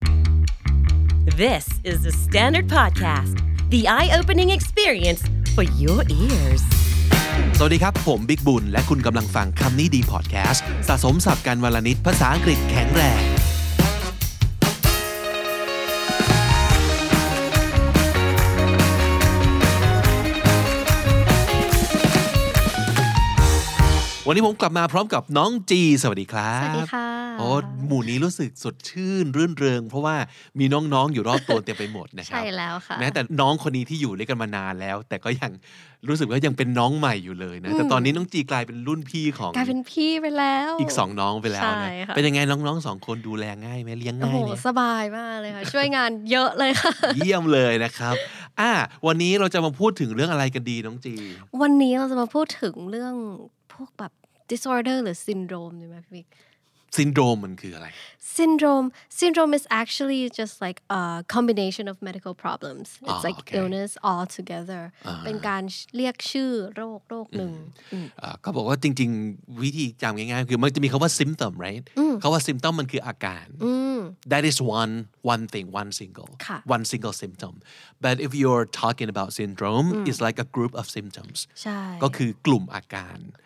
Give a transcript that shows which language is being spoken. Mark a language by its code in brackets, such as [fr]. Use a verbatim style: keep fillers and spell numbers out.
[en] This is the Standard Podcast, the eye-opening experience for your ears. [th] สวัสดีครับผมบิ๊กบุญและคุณกำลังฟังคำนี้ดีพอดแคสต์สะสมศัพท์การวลนิดภาษาอังกฤษแข็งแรงวันนี้ผมกลับมาพร้อมกับน้องจีสวัสดีครับ สวัสดีค่ะ โอ้หมู่นี้รู้สึกสดชื่นรื่นเริงเพราะว่ามีน้องๆอยู่รอบตัวเต็มไปหมดนะครับ ใช่แล้วค่ะ แม้แต่น้องคนนี้ที่อยู่ด้วยกันมานานแล้วแต่ก็ยังรู้สึกว่ายังเป็นน้องใหม่อยู่เลยนะแต่ตอนนี้น้องจีกลายเป็นรุ่นพี่ของ กลายเป็นพี่ไปแล้ว อีกสองน้องไปแล้วนะเป็นยังไงน้องๆสองคนดูแลง่ายไหมเลี้ยงง่ายไหม โอ้โหสบายมากเลยค่ะช่วยงานเยอะเลยค่ะ เยี่ยมเลยนะครับอ่ะวันนี้เราจะมาพูดถึงเรื่องอะไรกันดีน้องจี วันนี้เราจะมาพูดถึงเรื่องพวกแบบ [en] disorder หรือ syndrome [th] ใช่ไหมพี่บิ๊ก syndrome มันคืออะไร [en] syndrome syndrome is actually just like a combination of medical problems it's like illness all together [th] เป็นการเรียกชื่อโรคโรคหนึ่ง เขาบอกว่าจริงๆวิธีจำง่ายๆคือมันจะมีคำว่า [en] symptom right [th] คำว่า [en] symptom [th] มันคืออาการ [en] that is one one thing one single one single symptom but if you're talking about syndrome it's like a group of symptoms [th] ก็คือกลุ่มอาการ